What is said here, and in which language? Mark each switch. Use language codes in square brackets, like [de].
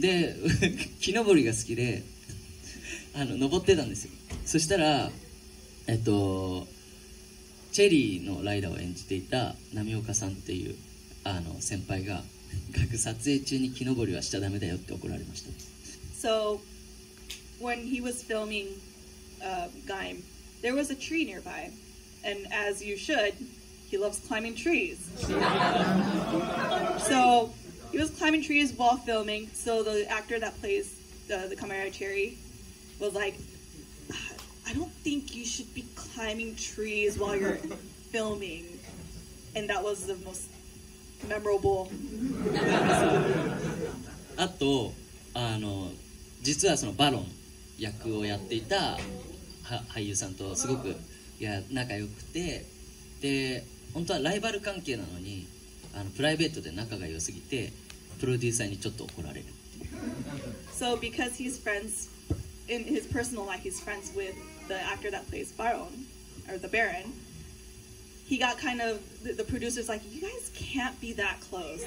[ja] で、木登りが好きで、登ってたんですよ。そしたら、チェリーのライダーを演じていた波岡さんっていう先輩が、各撮影中に木登りはしちゃダメだよって怒られました。 [en] So... When he was filming Gaim, there was a tree nearby, and as you should, he loves climbing trees. So he was climbing trees while filming, so the actor that plays the Kamen Rider Cherry was like, I don't think you should be climbing trees while you're filming. And that was the most memorable. [ja] あと、実はそのバロン役をやっていた俳優さんとすごく仲良くて、で本当はライバル関係なのにプライベートで仲が良すぎてプロデューサーにちょっと怒られる。 [en] So because he's friends in his personal life, he's friends with the actor that plays Baron or the Baron. He got kind of the producers like, you guys can't be that close.